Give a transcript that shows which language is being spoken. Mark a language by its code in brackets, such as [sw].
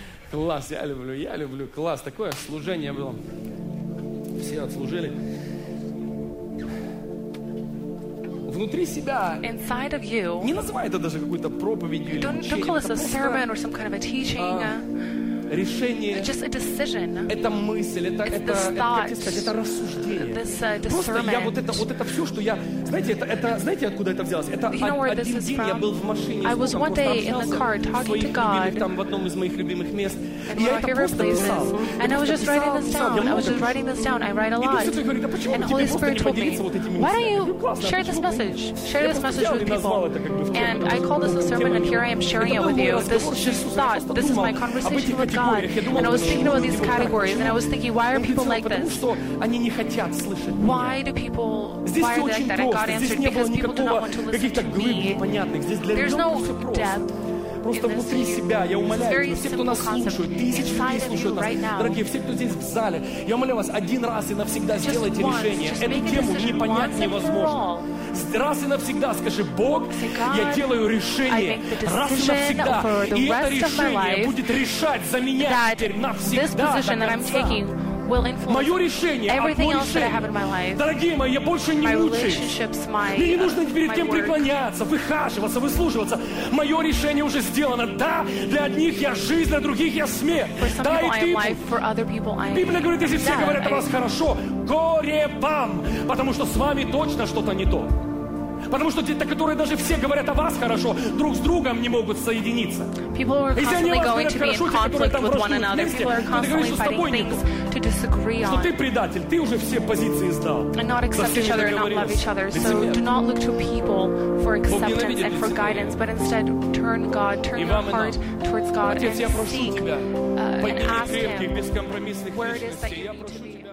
[ru] Класс, я люблю, класс, такое служение было, все отслужили. Внутри себя. [en] Inside of you. [ru] Не называй это даже какой-то проповедью. [en] Don't call this a sermon or some kind of a teaching. [ru] Решение. [en] Just a decision. [ru] Это мысль, это рассуждение. Просто я вот это все, что я, знаете, откуда это взялось? Это один день я был в машине, [en] I was one day in the car talking to God. [ru] Там в одном из моих любимых мест. [en] And [ru] я это просто писал. [en] And I was just writing this down. I was just writing this down. I write a lot. And Holy Spirit told me, why don't you share this message? Share this message with people. And I call this a sermon, and here I am sharing it with you. This is just thought. This is my conversation with God. And I was thinking about these categories, and I was thinking, why are people like this? Why do people fire like that? And God answered, because people do not want to listen to me. There's no depth. [ru] Просто внутри себя, я умоляю, все, кто нас слушают, тысячи людей слушают нас, дорогие, все, кто здесь в зале, я умоляю вас, один раз и навсегда сделайте решение. Эту тему не понять невозможно. Раз и навсегда скажи, Бог, я делаю решение, раз и навсегда, и это решение будет решать за меня теперь навсегда до конца. [en] Will influence everything else that I have in my life. [ru] Дорогие мои, я больше не мучаюсь. Мне не нужно перед кем преклоняться, выхаживаться, выслуживаться. Мое решение уже сделано. Да, для одних я жизнь, для других я смерть. Да, и ты. Библия говорит, если все говорят о вас хорошо, горе вам, потому что с вами точно что-то не то. Потому что те, которые даже все говорят о вас хорошо, друг с другом не могут соединиться. [en] People are constantly going to be in conflict with one another. People are constantly fighting things to disagree on. [ru] Что ты предатель, ты уже все позиции сдал. [en] And not accept each other and not love each other. So do not look to people for acceptance and for guidance, but instead turn God, turn your heart towards God and seek and ask Him where it is that you need to be.